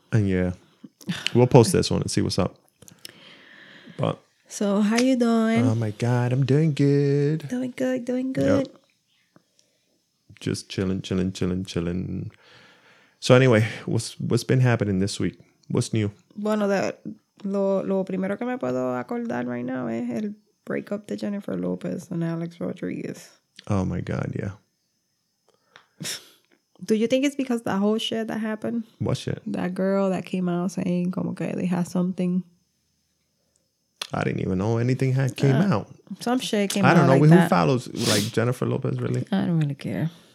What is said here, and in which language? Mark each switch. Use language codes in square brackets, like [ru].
[en] And yeah, we'll post this one and see what's up. But so, how you doing? Oh my God, I'm doing good. Doing good, doing good. Yep. Just chilling, chilling, chilling, chilling. So anyway, what's been happening this week? What's new? [es] Bueno, lo primero que me puedo acordar [en] right now [es] es el breakup de Jennifer Lopez and Alex Rodriguez. [en] Oh my God, yeah. Do you think it's because the whole shit that happened? What shit? That girl that came out saying [es] como que [en] they had something. I didn't even know anything had came out. Some shit came out. I don't know like who that. Follows like Jennifer Lopez, really. I don't really care.